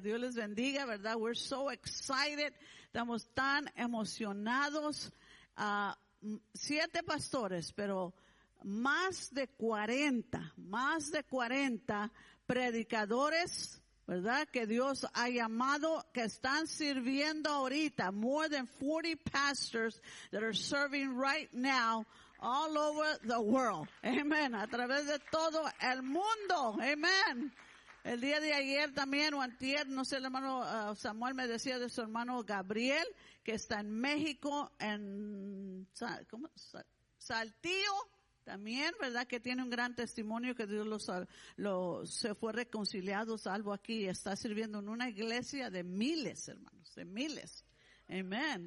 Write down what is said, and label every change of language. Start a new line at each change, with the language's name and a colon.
Spanish: Dios les bendiga, ¿verdad?
English: We're so excited.
Spanish: Estamos tan emocionados. 7 pastores, pero más de 40 predicadores, ¿verdad?, que Dios ha llamado, que están sirviendo ahorita.
English: More than 40 pastors that are serving right now all over the world.
Spanish: Amen. A través de todo el mundo. Amen. El día de ayer también, o antier, no sé, el hermano Samuel me decía de su hermano Gabriel, que está en México, en Saltillo. También, ¿verdad?, que tiene un gran testimonio, que Dios se fue reconciliado, salvo aquí, y está sirviendo en una iglesia de miles, hermanos, de miles. Amén.